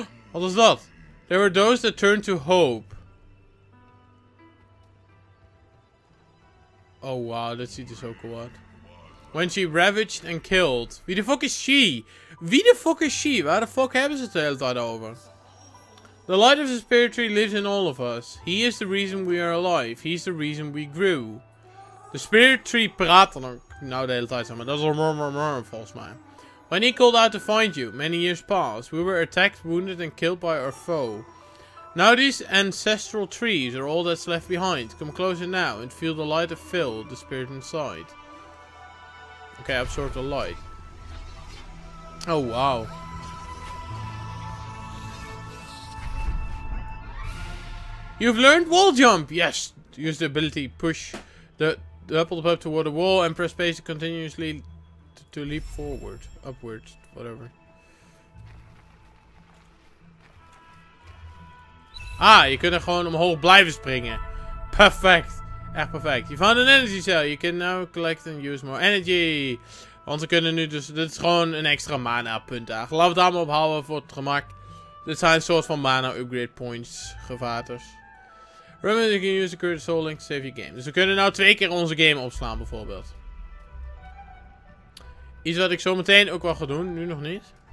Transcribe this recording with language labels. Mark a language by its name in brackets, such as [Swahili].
[English] Wat is dat? There were those that turned to hope. [Dutch] Oh wow, dat ziet er zo cool uit. [English] When she ravaged and killed. [Dutch] Wie de fuck [English] is she? [Dutch] Wie de fuck [English] is she? [Dutch] Waar de fuck hebben ze het de hele tijd over? [English] The light of the spirit tree lives in all of us. He is the reason we are alive. He is the reason we grew. [Dutch] The spirit tree praat dan ook. Nou de hele tijd zo, maar dat is een murmur volgens mij. [English] When he called out to find you, many years passed. We were attacked, wounded and killed by our foe. Now these ancestral trees are all that's left behind. Come closer now and feel the light of Phil, the spirit inside. Okay, absorb the light. Oh, wow. You've learned wall jump! Yes! Use the ability push the apple up toward the wall and press space to continuously... To leap forward, upward, whatever. [Dutch] Ah, je kunt er gewoon omhoog blijven springen. [English] Perfect. [Dutch] Echt perfect. [English] You found an energy cell. You can now collect and use more energy. [Dutch] Want we kunnen nu dus... Dit is gewoon een extra mana punt. Laten we het allemaal ophouden voor het gemak. Dit zijn een soort van mana upgrade points. Gevaters. [English] Remember you can use the current soul link to save your game. [Dutch] Dus we kunnen nou twee keer onze game opslaan bijvoorbeeld. Iets wat ik zo meteen ook wel ga doen, nu nog niet.